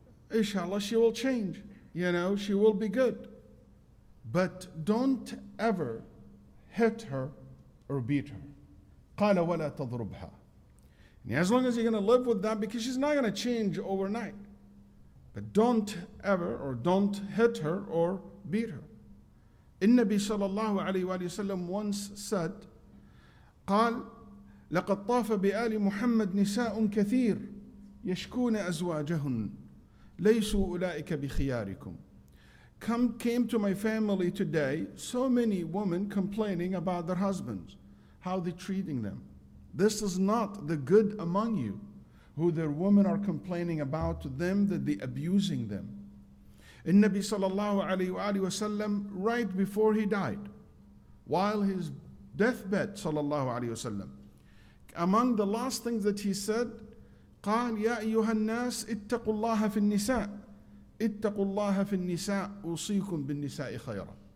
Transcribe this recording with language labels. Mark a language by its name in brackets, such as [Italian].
[English] Inshallah, she will change. You know, she will be good. But don't ever hit her or beat her." [Arabic] قَالَ وَلَا تَضْرُبْهَا. [English] As long as you're going to live with that, because she's not going to change overnight. But don't ever or don't hit her or beat her. [Arabic] النبي صلى الله عليه وآله وسلم [English] once said, [Arabic] قال لقد طاف بآل محمد نساء كثير يشكون أزواجهن ليسوا أولئك بخياركم. [English] Came to my family today so many women complaining about their husbands, how they're treating them. This is not the good among you, who their women are complaining about to them, that they're abusing them. Nabi sallallahu alayhi wa sallam, right before he died, while his deathbed sallallahu alayhi wa sallam, among the last things that he said, [Arabic] قال يا أيها الناس اتقوا الله في النساء اتقوا الله في النساء أوصيكم بالنساء خيرا.